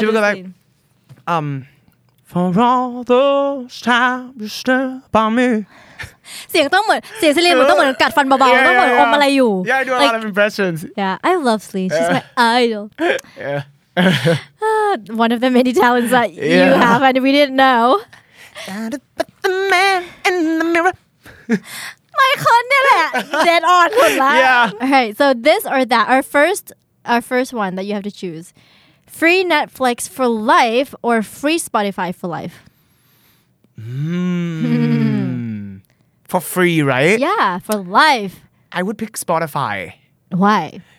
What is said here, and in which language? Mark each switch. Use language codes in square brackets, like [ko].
[en] she would go like, For all those times you stood by me. [th] เสียงต้องเหมือนเสียงเซเลนต้องเหมือนกัดฟันเบาๆต้องเหมือนอมอะไรอยู่ [en] Yeah, I do a lot of impressions. Yeah, I love Celine. She's my idol. Yeah. One of the many talents that you have and we didn't know. But the man in the mirror. My con [th] เนี่ยแหละ [en] Dead on [th] หมดละ [en] Yeah. Okay, so this or that. Our first one that you have to choose. Free Netflix for life or free Spotify for life? For free, right? Yeah, for life. I would pick Spotify. Why?